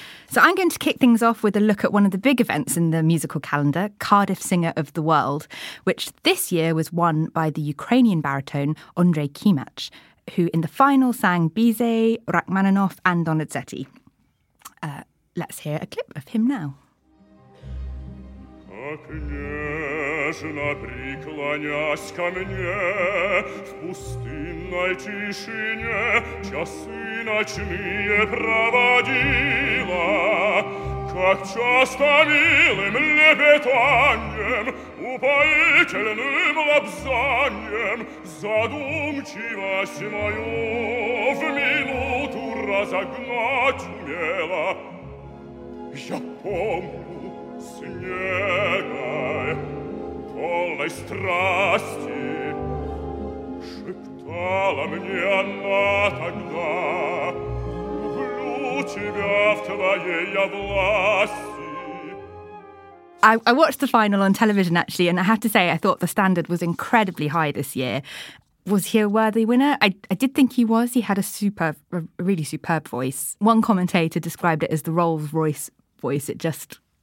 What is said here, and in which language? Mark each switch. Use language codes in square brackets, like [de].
[en] So I'm going to kick things off with a look at one of the big events in the musical calendar, Cardiff Singer of the World, which this year was won by the Ukrainian baritone Andrei Kimach, who in the final sang Bizet, Rachmaninoff and Donizetti. Let's hear a clip of him now. [ru] Княжна, приклонясь ко мне, в пустынной тишине часы ночные проводила, как часто милым лепетаньем, упоительным лапзаньем, задумчивость мою в минуту разогнать умела. Я помню, снегой полной страсти шептала мне она тогда: люблю тебя в твоей я власти. [en] I watched the final on television, actually, and I have to say I thought the standard was incredibly high this year. Was he a worthy winner? I did think he was. He had a really superb voice. One commentator described it as the Rolls Royce voice. It just